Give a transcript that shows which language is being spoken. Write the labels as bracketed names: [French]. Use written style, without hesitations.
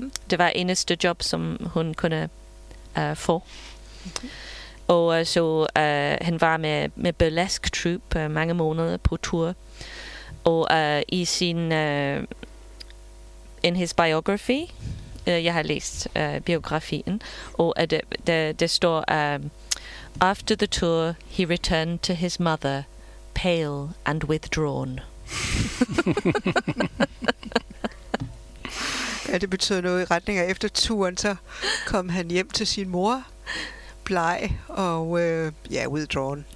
[Danish] Det var eneste job, som hun kunne få. Og så han var med burlesque troupe mange måneder på tour. Og i sin [English] in his biography, [Danish] jeg har læst biografien, og det står, [English] after the tour, he returned to his mother, pale and withdrawn. [Danish] Ja, det betyder noget i retning af, efter turen, så kom han hjem til sin mor, bleg og withdrawn.